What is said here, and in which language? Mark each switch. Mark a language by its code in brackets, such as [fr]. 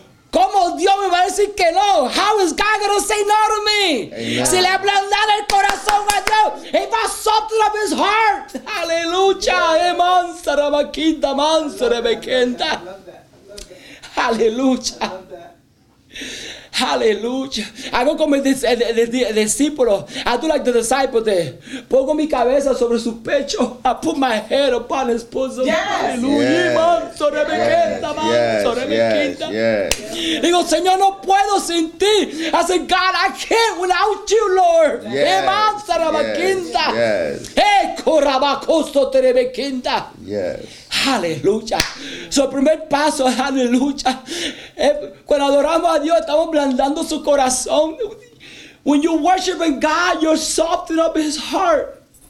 [es] ¿Cómo Dios me va a decir que no? [en] How is God going to say no to me? [es] Amen. Si le ablandara el corazón a Dios, he va a [en] soften up his heart. [es] Aleluya. Aleluya. Aleluya. Hago como el discípulo. [en] I do like the disciple there. [es] Pongo mi cabeza sobre su pecho. [en] I put my head upon his bosom. Yes. [es] Aleluya. [en] Yes. Manso, rebequenta, manso, rebequenta. Yes. Yes. [es] Digo, Señor, no puedo sin ti. [en] I said, God, I can't without you, Lord. Yes. Manso, rebequenta. Yes. Corabacosto, rebequenta. Yes. [es] Aleluya. Su primer paso es aleluya. Cuando adoramos a Dios, estamos blandando su corazón. [en] When you worship in God, you're softening up his heart.